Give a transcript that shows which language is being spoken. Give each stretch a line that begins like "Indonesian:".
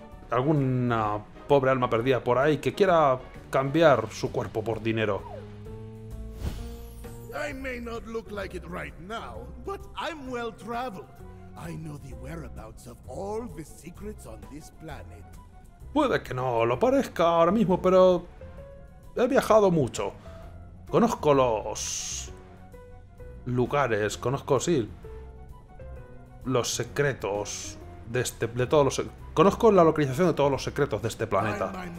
Spanish: alguna pobre alma perdida por ahí que quiera... cambiar su cuerpo por dinero.
English: I may not look like it right now, but I'm well traveled. I know the whereabouts of all the secrets on this planet.
Spanish: Puede que no lo parezca ahora mismo, pero he viajado mucho. Conozco los lugares, conozco sí, los secretos de este, de todos los, conozco la localización de todos los secretos de este planeta.